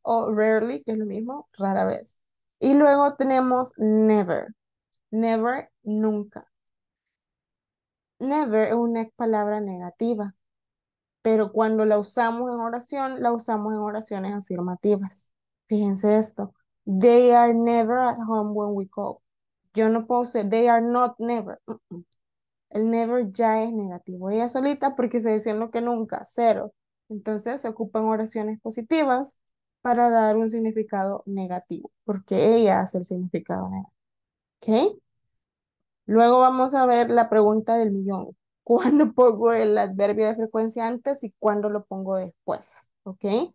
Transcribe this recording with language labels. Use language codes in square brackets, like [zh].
[es] O rarely, que es lo mismo, rara vez. Y luego tenemos never. Never, nunca. Never es una palabra negativa, pero cuando la usamos en oración, la usamos en oraciones afirmativas. Fíjense esto. [en] They are never at home when we call. [es] Yo no puedo decir, [en] they are not never. [es] El never ya es negativo. Ella solita porque se dice lo que nunca, cero. Entonces se ocupan oraciones positivas para dar un significado negativo, porque ella hace el significado negativo. ¿Ok? Luego vamos a ver la pregunta del millón. ¿Cuándo pongo el adverbio de frecuencia antes y cuándo lo pongo después? ¿Ok?